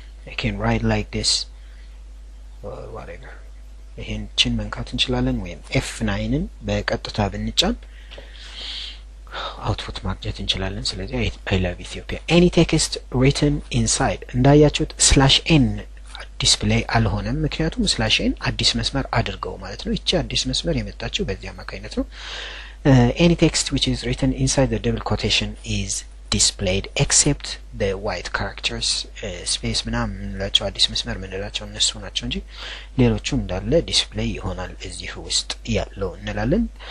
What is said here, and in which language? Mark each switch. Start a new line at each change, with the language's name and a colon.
English: I can write like this or whatever.
Amharic: ይሄን ቺን መንካት እንችላለን, ወይም F9ን በቀጥታ ብንጫን አውትፑት ማግኘት እንችላለን. ስለዚህ
English: I love Ethiopia any text written inside
Amharic: እንዳያችሁት /n display አልሆነም, ምክንያቱም /n አዲስ መስመር አድርገው ማለት ነው. እቺ አዲስ መስመር የመጣችው በዚህ አማካይነት ነው.
English: any text which is written inside the double quotation is displayed except the white characters
Amharic: space ምናም ለቻው አዲስ መስመር ምንላቸው እነሱ ናቸው እንጂ ሌሎቹ እንዳለ ዲስፕሌይ ይሆናል እዚህ ውስጥ ያለው እንላለን.